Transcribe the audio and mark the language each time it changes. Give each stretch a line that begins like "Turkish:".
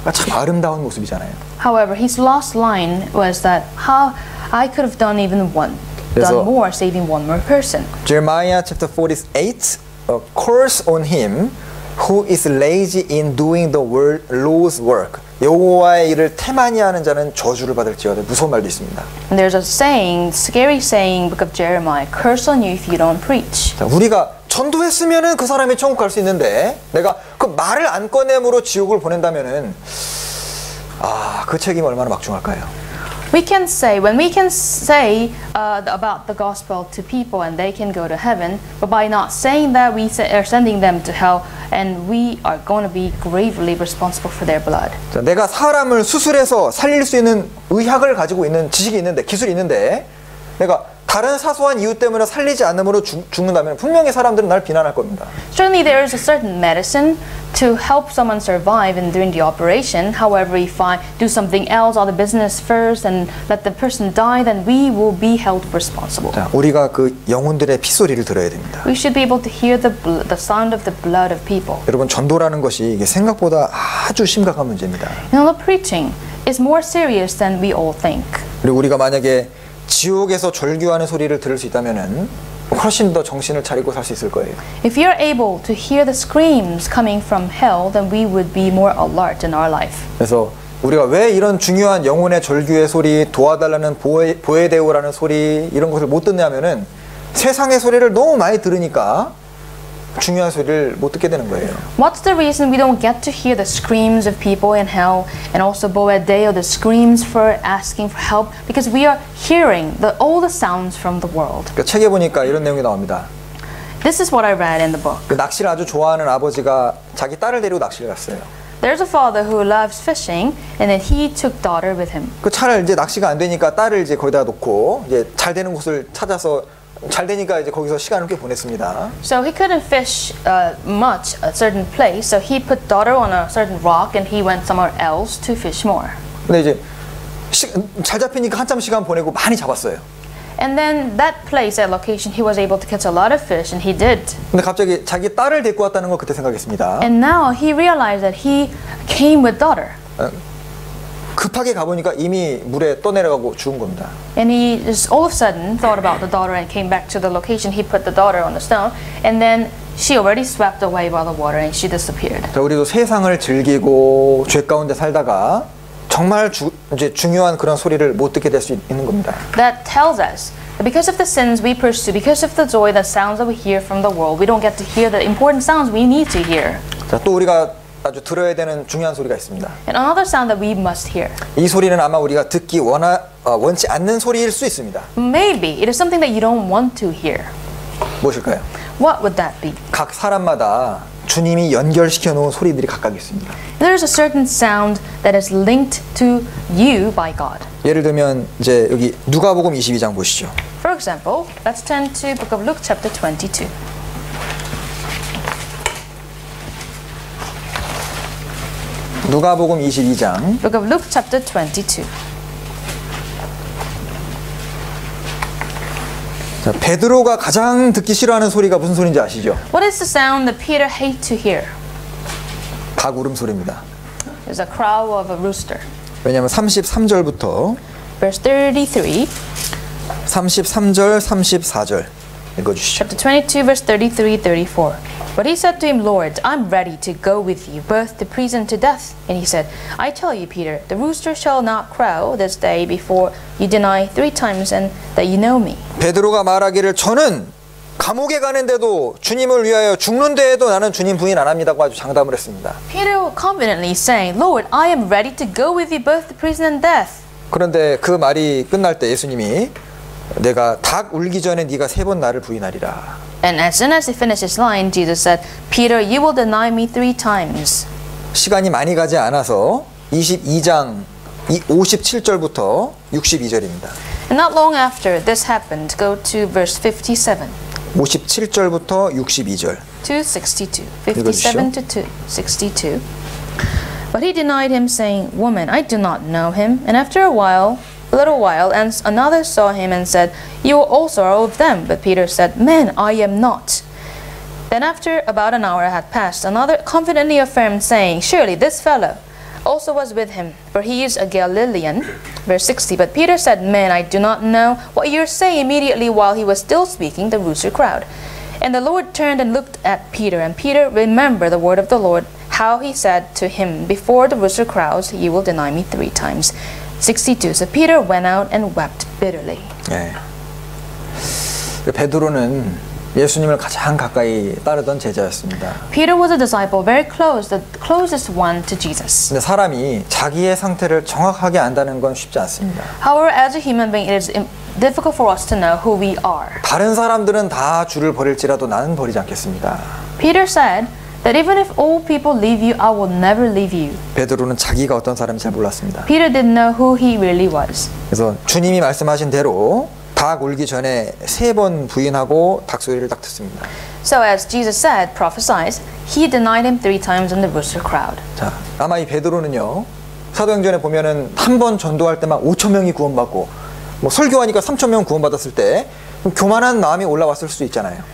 Korean: 참 아름다운 모습이잖아요.
English: However, his last line was that how I could have done even one, done more, saving one more person. Jeremiah chapter 48, a curse on him who is lazy in doing the Lord's work.
Korean: 여호와의 일을 태만히 하는 자는 저주를 받을지어다 무서운 말도 있습니다.
English: There's a saying, scary saying, book of Jeremiah, curse on you if you don't preach.
Korean: 자, 우리가 전도했으면은 그 사람이 천국 갈 수 있는데 내가 그 말을 안 꺼냄으로 지옥을 보낸다면은 아, 그 책임 얼마나 막중할까요?
English: We can say, when we can say about the gospel to people and they can go to heaven, but by not saying that, we are sending them to hell and we are going to be gravely responsible for their blood.
Korean: 자, 내가 사람을 수술해서 살릴 수 있는 의학을 가지고 있는 지식이 있는데, 기술이 있는데, 내가 다른 사소한 이유 때문에 살리지 않음으로 죽는다면 분명히 사람들은 날 비난할 겁니다.
English: Certainly there is a certain medicine to help someone survive and during the operation. However, if I do something else or the business first and let the person die, then we will be held responsible.
Korean: 자, 우리가 그 영혼들의 피소리를 들어야 됩니다.
English: We should be able to hear the sound of the blood of people.
Korean: 여러분, 전도라는 것이 이게 생각보다 아주 심각한 문제입니다.
English: You know, the preaching is more serious than we all think.
Korean: 그리고 우리가 만약에 지옥에서 절규하는 소리를 들을 수 있다면은 훨씬 더 정신을 차리고 살 수 있을 거예요.
English: If you're able to hear the screams coming from hell, then we would be more alert in our life.
Korean: 그래서 우리가 왜 이런 중요한 영혼의 절규의 소리, 도와달라는 보혜대우라는 소리 이런 것을 못 듣냐면은 세상의 소리를 너무 많이 들으니까 중요한 소리를 못 듣게 되는 거예요.
English: What's the reason we don't get to hear the screams of people in hell and also Boedeo, the screams for asking for help? Because we are hearing all the sounds from the world.
Korean: 그러니까 책에 보니까 이런 내용이 나옵니다.
English: This is what I read in the book.
Korean: 그 낚시를 아주 좋아하는 아버지가 자기 딸을 데리고 낚시를 갔어요.
English: There's a father who loves fishing and then he took daughter with him.
Korean: 그 차를 이제 낚시가 안 되니까 딸을 이제 거기다 놓고 이제 잘 되는 곳을 찾아서 잘 되니까 이제 거기서 시간을 꽤 보냈습니다.
English: So he couldn't fish much a certain place, so he put daughter on a certain rock and he went somewhere else to fish more.
Korean: 근데 이제 잘 잡히니까 한참 시간 보내고 많이 잡았어요.
English: And then that place, that location, he was able to catch a lot of fish, and he did.
Korean: 근데 갑자기 자기 딸을 데리고 왔다는 걸 그때 생각했습니다.
English: And now he realized that he came with daughter.
Korean: 급하게 가보니까 이미 물에 떠내려가고 죽은 겁니다.
English: And he just all of a sudden thought about the daughter and came back to the location. He put the daughter on the stone, and then she already swept away by the water and she disappeared.
Korean: 자, 우리도 세상을 즐기고 죄 가운데 살다가 정말 이제 중요한 그런 소리를 못 듣게 될 수 있는 겁니다.
English: That tells us that because of the sins we pursue, because of the joy, the sounds that we hear from the world, we don't get to hear the important sounds we need to hear.
Korean: 자, 또 우리가 아주 들어야 되는 중요한 소리가 있습니다.
English: And another sound that we must hear.
Korean: 이 소리는 아마 우리가 듣기 원치 않는 소리일 수 있습니다.
English: Maybe it is something that you don't want to hear.
Korean: 무엇일까요?
English: What would that be?
Korean: 각 사람마다 주님이 연결시켜 놓은 소리들이 각각 있습니다.
English: There is a certain sound that is linked to you by God.
Korean: 예를 들면 이제 여기 누가복음 22장 보시죠.
English: For example, let's turn to Book of Luke chapter 22.
Korean: 누가복음 22장
English: Book of Luke chapter 22.
Korean: 자, 베드로가 가장 듣기 싫어하는 소리가 무슨 소리인지 아시죠?
English: What is the sound that Peter hates to hear?
Korean: 닭 울음소리입니다.
English: It's a crow of a rooster.
Korean: 왜냐하면 33절부터
English: Verse 33
Korean: 33절, 34절 읽어주시죠.
English: Chapter 22, verse 33, 34. But he said to him, Lord, I'm ready to go with you, both to prison to death. And he said, I tell you, Peter, the rooster shall not crow this day before you deny three times and that you know me. 베드로가 말하기를 저는 감옥에 가는데도 주님을 위하여 죽는 데에도 나는 주님 부인 안 합니다고 아주 장담을 했습니다. Peter confidently saying, Lord, I am ready to go with you, both to prison and death. 그런데 그 말이 끝날 때 예수님이 내가 닭 울기 전에 네가 세 번 나를 부인하리라. And as soon as he finished his line, Jesus said, Peter, you will deny me three times. 시간이 많이 가지 않아서 22장 57절부터 62절입니다. And not long after this happened, go to verse 57. 57절부터 62절. 57 to 62. But he denied him, saying, Woman, I do not know him. And after a while, A little while, and another saw him and said, You also are of them. But Peter said, Man, I am not. Then after about an hour had passed, another confidently affirmed, saying, Surely this fellow also was with him, for he is a Galilean. Verse 60, But Peter said, Man, I do not know what you are saying. Immediately while he was still speaking, the rooster crowed. And the Lord turned and looked at Peter, and Peter remembered the word of the Lord, how he said to him, Before the rooster crows, you will deny me three times. 62. So Peter went out and wept bitterly.
Korean: 예. 베드로는 예수님을 가장 가까이 따르던 제자였습니다.
English: Peter was a disciple very close, the closest one to Jesus.
Korean: 근데 사람이 자기의 상태를 정확하게 안다는 건 쉽지 않습니다.
English: However, as a human being, it is difficult for us to know who we are.
Korean: 다른 사람들은 다 주를 버릴지라도 나는 버리지 않겠습니다.
English: Peter said that even if all people leave you, I will never leave you.
Korean: 베드로는 자기가 어떤 사람인지 잘 몰랐습니다.
English: Peter didn't know who he really was.
Korean: 그래서 주님이 말씀하신 대로 닭 울기 전에 세 번 부인하고 닭 소리를 딱 듣습니다.
English: So as Jesus said, prophesied, he denied him three times in the rooster crowd.
Korean: 자, 아마 이 베드로는요, 사도행전에 보면은 한 번 전도할 때만 5천 명이 구원받고, 뭐 설교하니까 3천 명 구원받았을 때 교만한 마음이 올라왔을 수도 있잖아요.